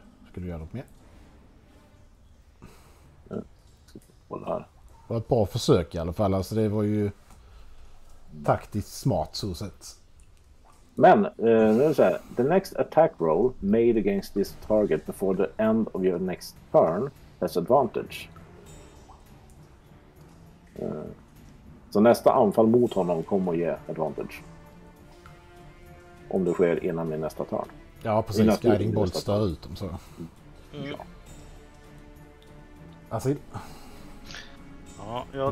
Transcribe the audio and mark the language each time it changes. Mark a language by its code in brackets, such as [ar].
[sv] Ska du göra något mer? Det var ett bra försök i alla fall. Alltså, det var ju taktiskt smart så sett. Men, nu så här. [en] The next attack roll made against this target before the end of your next turn has advantage. [sv] Så nästa anfall mot honom kommer att ge advantage. Om det sker innan min nästa turn. Ja, precis. Guiding Bolt stör ut dem så. Ja. Alltså... Ja, jag...